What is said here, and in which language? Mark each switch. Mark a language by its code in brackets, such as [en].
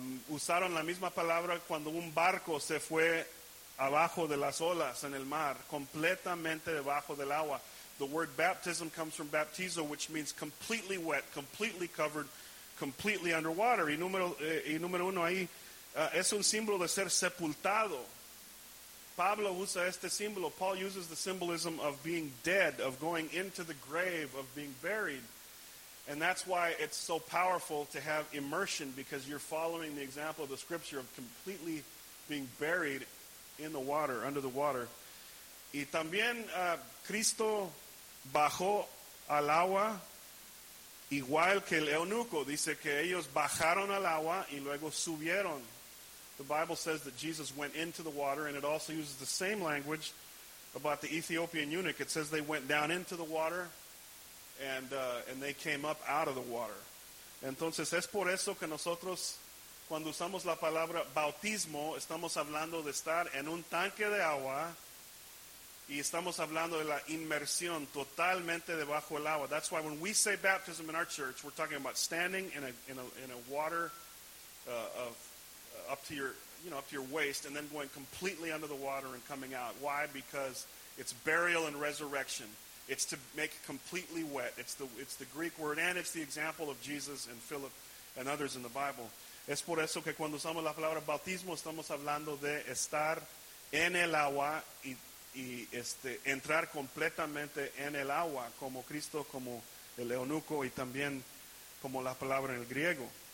[es] Usaron la misma palabra cuando un barco se fue abajo de las olas en el mar, completamente debajo del agua. [en] The word baptism comes from baptizo, which means completely wet, completely covered, completely underwater. [es] Y número uno ahí, es un símbolo de ser sepultado. Pablo usa este símbolo. [en] Paul uses the symbolism of being dead, of going into the grave, of being buried. And that's why it's so powerful to have immersion, because you're following the example of the scripture of completely being buried in the water, under the water. [es] Y también Cristo bajó al agua, igual que el eunuco. Dice que ellos bajaron al agua y luego subieron. [en] The Bible says that Jesus went into the water, and it also uses the same language about the Ethiopian eunuch. It says they went down into the water, and they came up out of the water. [es] Entonces, es por eso que nosotros, cuando usamos la palabra bautismo, estamos hablando de estar en un tanque de agua, y estamos hablando de la inmersión totalmente debajo del agua. [en] That's why when we say baptism in our church, we're talking about standing in a water up to your waist and then going completely under the water and coming out. Why? Because it's burial and resurrection. It's to make completely wet. It's the Greek word, and it's the example of Jesus and Philip and others in the Bible. [es] Es por eso que cuando usamos la palabra bautismo, estamos hablando de estar en el agua y entrar completamente en el agua, como Cristo, como el eunuco, y también como la palabra en el griego.